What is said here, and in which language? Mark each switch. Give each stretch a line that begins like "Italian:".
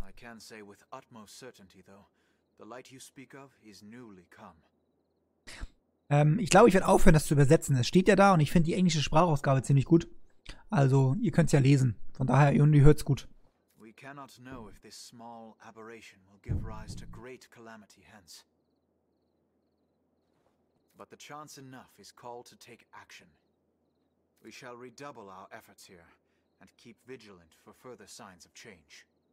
English: I can say with utmost certainty though, the light you speak of is newly come.
German: Ich glaube, ich werde aufhören, das zu übersetzen. Es steht ja da und ich finde die englische Sprachausgabe ziemlich gut. Also, ihr könnt es ja lesen. Von daher, Juni, hört es gut.
English: We cannot know if this small aberration will give rise to great calamity hence. But the chance enough is called to take action. We shall redouble our efforts here and keep vigilant for further signs of change.